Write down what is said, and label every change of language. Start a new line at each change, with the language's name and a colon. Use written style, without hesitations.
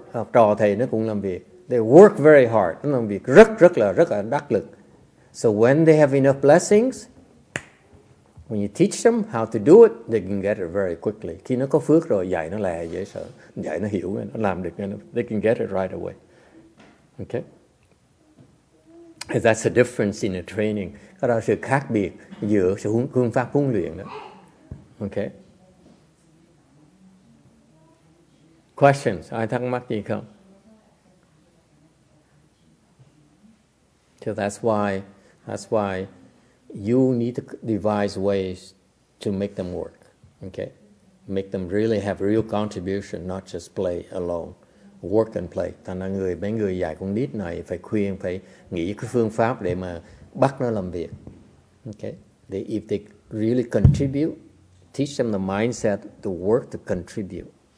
Vietnamese: Học trò thầy nó cũng làm việc.
English: They work very hard.
Vietnamese: Nó làm việc rất rất là rất là đắc lực.
English: So when they have enough blessings, when you teach them how to do it, they can get it very quickly.
Vietnamese: Khi nó có phước rồi, dạy nó lẹ dễ sợ. Dạy nó hiểu, nó làm được.
English: They can get it right away. Okay? That's the difference in the training.
Vietnamese: Đó là sự khác biệt giữa sự phương pháp huấn luyện đó. Okay?
English: Questions?
Vietnamese: Ai thắc mắc gì không?
English: So that's why you need to devise ways to make them work, okay? Make them really have real contribution, not just play alone. Work and play.
Vietnamese: Thành ra người, mấy người dạy con nít này phải khuyên, phải nghĩ cái phương pháp để mà bắt nó làm việc.
English: Okay? They, if they really contribute, teach them the mindset to work to contribute.